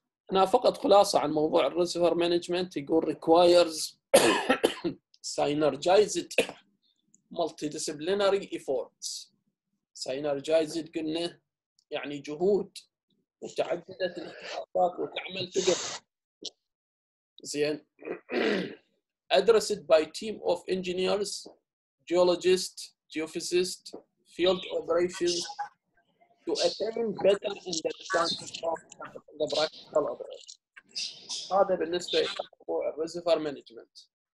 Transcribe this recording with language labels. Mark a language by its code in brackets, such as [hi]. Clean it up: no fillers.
[ar] هنا فقط خلاصه عن موضوع الريسيفر مانجمنت، يقول [en] Requires synergized multidisciplinary efforts. [ar] synergized قلنا يعني جهود متعددة الاختصاصات وتعمل تجمع زين. [en] addressed by team of engineers, geologists, geophysicists, field operations to attain better understanding of the practical approach. [ar] هذا بالنسبة للreservoir management.